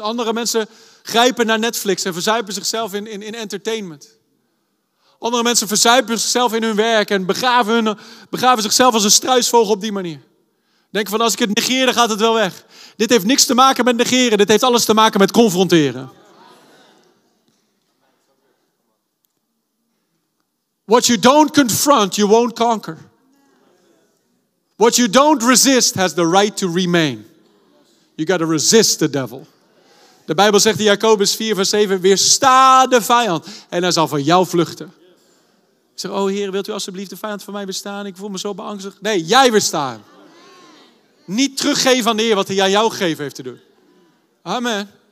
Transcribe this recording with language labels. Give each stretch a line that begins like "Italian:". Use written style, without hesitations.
Dutch: Andere mensen grijpen naar Netflix en verzuipen zichzelf in entertainment. Andere mensen verzuipen zichzelf in hun werk en begraven zichzelf als een struisvogel op die manier. Denk van, als ik het negeer, dan gaat het wel weg. Dit heeft niks te maken met negeren. Dit heeft alles te maken met confronteren.
English: What you don't confront, you won't conquer. What you don't resist has the right to remain. You got to resist the devil.
Dutch: De Bijbel zegt in Jacobus 4, vers 7, weersta de vijand en hij zal van jou vluchten. Ik zeg, oh Heer, wilt u alstublieft de vijand van mij weerstaan? Ik voel me zo beangstigd. Nee, jij weerstaan. Niet teruggeven aan de Heer wat hij aan jou gegeven heeft te doen. Amen.